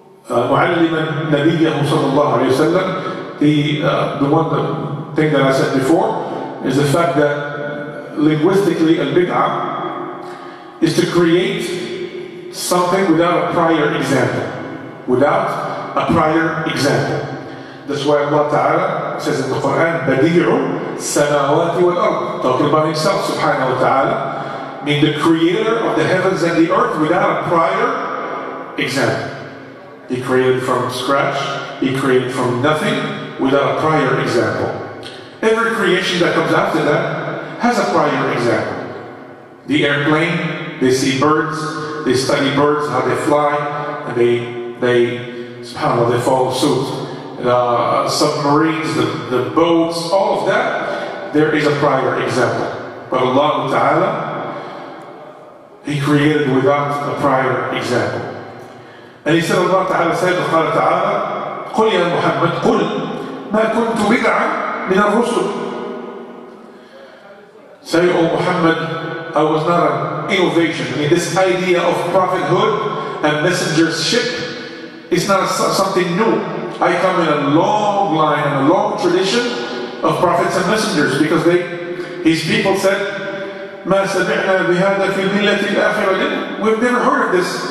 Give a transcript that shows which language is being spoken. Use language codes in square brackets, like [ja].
[ar] معلما نبيه صلى الله عليه وسلم [en] the one thing that I said before is the fact that linguistically, al-bid'ah is to create something without a prior example. Without a prior example. That's why Allah Ta'ala says in the Quran, [ar] بَدِيعُ السَّمَاوَاتِ وَالْأَرْضِ [en] talking about himself, subhanahu wa ta'ala, mean the creator of the heavens and the earth without a prior example. He created from scratch, he created from nothing without a prior example. Every creation that comes after that has a prior example. The airplane, they see birds, they study birds, how they fly, and they, subhanAllah, they follow suit. submarines, the boats, all of that, there is a prior example. But Allah Ta'ala, He created without a prior example. And He said, Allah Ta'ala said, [ar] قال تعالى, قل يا محمد قل ما كنت بدعا من الرسل. [en] Say, O Muhammad, I was not an innovation. I mean, this idea of prophethood and messengership is not something new. I come in a long line and a long tradition of prophets and messengers because his people said, [ar] ما سمعنا بهذا في الملة الآخرة. [en] We've never heard of this.